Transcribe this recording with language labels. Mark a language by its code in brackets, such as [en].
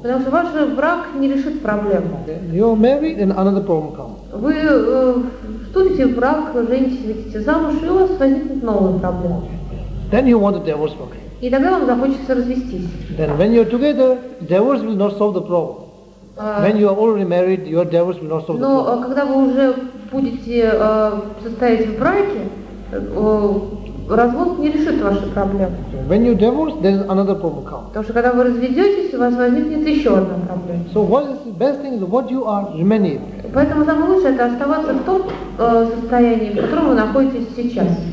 [ru] Потому что ваш брак не решит проблему. [en] Okay. You're married and another problem comes. [ru] Вы вступите в брак, женитесь, выйдете замуж, и у вас возникнет новая проблема. [en] Then you want a divorce, okay. [ru] И тогда вам захочется развестись. [en] Then when you're together, divorce will not solve the problem. When you are already married, your divorce will not solve the problem. [ru] Но когда вы уже будете состоять в браке, развод не решит ваши проблемы. [en] When you divorce, there is another problem comes. [ru] Потому что когда вы разведетесь, у вас возникнет еще одна проблема. [en] So what is the best thing is what you are remaining. [ru] Поэтому самое лучшее это оставаться в том состоянии, в котором вы находитесь сейчас.